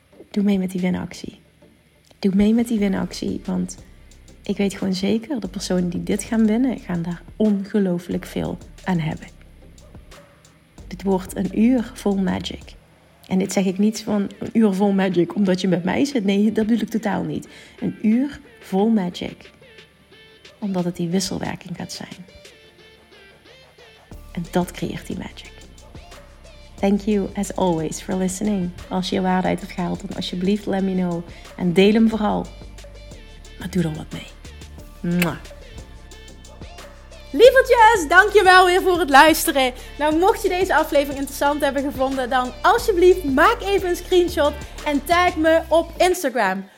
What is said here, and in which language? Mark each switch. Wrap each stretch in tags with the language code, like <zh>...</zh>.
<nl>Doe mee met die winactie. Doe mee met die winactie, want ik weet gewoon zeker, de personen die dit gaan winnen, gaan daar ongelooflijk veel aan hebben. Dit wordt een uur vol magic. En dit zeg ik niet van een uur vol magic omdat je met mij zit. Nee, dat bedoel ik totaal niet. Een uur vol magic. Omdat het die wisselwerking gaat zijn. En dat creëert die magic.</nl> <en>Thank you as always for listening.</en> <nl>Als je waarheid hebt gehaald, dan alsjeblieft</nl> <en>let me know.</en> <nl>En deel hem vooral. Maar doe dan wat mee. Mwah. Lievertjes, dankjewel weer voor het luisteren. Nou, mocht je deze aflevering interessant hebben gevonden, dan alsjeblieft maak even een screenshot en tag me op Instagram.</nl>